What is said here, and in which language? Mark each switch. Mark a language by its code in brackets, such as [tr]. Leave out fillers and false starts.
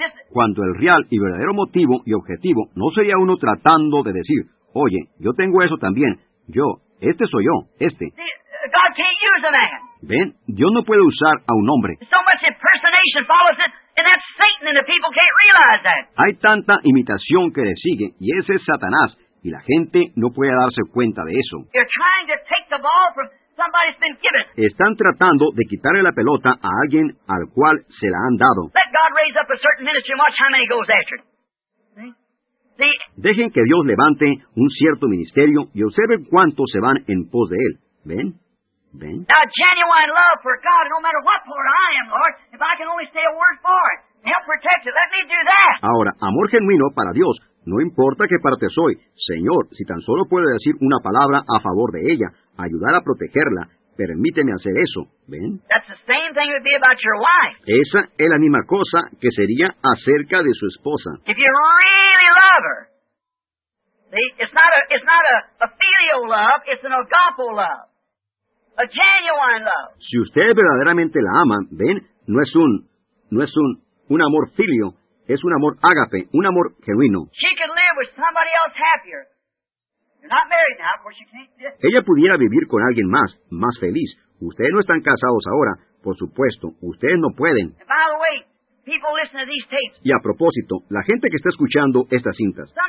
[es] Cuando el real y verdadero motivo y objetivo no sería uno tratando de decir, oye, yo tengo eso también, yo, este soy yo, este. [en] God can't use a man. [es] Ven, Dios no puede usar a un hombre. [en] So much impersonation follows it, and that's Satan, and the people can't realize that. [es] Hay tanta imitación que le sigue, y ese es Satanás, y la gente no puede darse cuenta de eso. [en] You're trying to take the ball from... Somebody's been given. [es] Están tratando de quitarle la pelota a alguien al cual se la han dado. [en] Let God raise up a certain ministry and watch how many goes after it. See? [es] Dejen que Dios levante un cierto ministerio y observen cuántos se van en pos de él. ¿Ven? ¿Ven? [en] A genuine love for God, no matter what part I am, Lord, if I can only say a word for it, help protect it, let me do that. [es] Ahora, amor genuino para Dios, no importa qué parte soy, Señor, si tan solo puedo decir una palabra a favor de ella, ayudar a protegerla, permíteme hacer eso, ¿ven? [en] That's the same thing would be about your wife. [es] Esa es la misma cosa que sería acerca de su esposa. [en] If you really love her, see, it's not a filial love, it's an agape love, a genuine love. [es] Si ustedes verdaderamente la aman, ¿ven? No es un amor filio. Es un amor ágape, un amor genuino. [en] She can live with somebody else happier. You're not married now, of course you can't. [es] Ella pudiera vivir con alguien más, más feliz. Ustedes no están casados ahora, por supuesto. Ustedes no pueden. [en] And by the way, people listen to these tapes. [es] Y a propósito, la gente que está escuchando estas cintas.